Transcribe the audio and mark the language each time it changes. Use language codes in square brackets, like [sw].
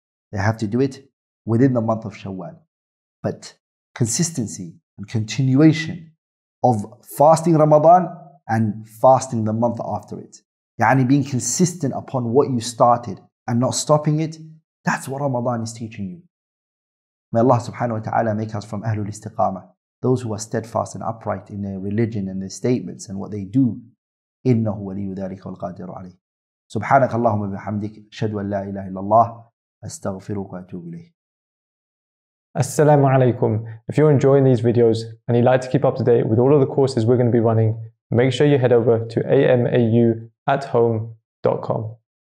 [en] They have to do it within the month of Shawwal. But consistency and continuation of fasting Ramadan and fasting the month after it, yani being consistent upon what you started and not stopping it, that's what Ramadan is teaching you. May Allah subhanahu wa ta'ala make us from Ahlul Istiqamah, those who are steadfast and upright in their religion and their statements and what they do. [ar] إِنَّهُ وَلِيُّ ذَلِكَ وَالْقَادِرُ عَلَيْهِ سبحانك اللهم وبحمدك أشهد أن لا إله إلا الله أستغفرك وأتوب إليك. Assalamu alaikum. [en] If you're enjoying these videos and you'd like to keep up to date with all of the courses we're going to be running, make sure you head over to amauathome.com.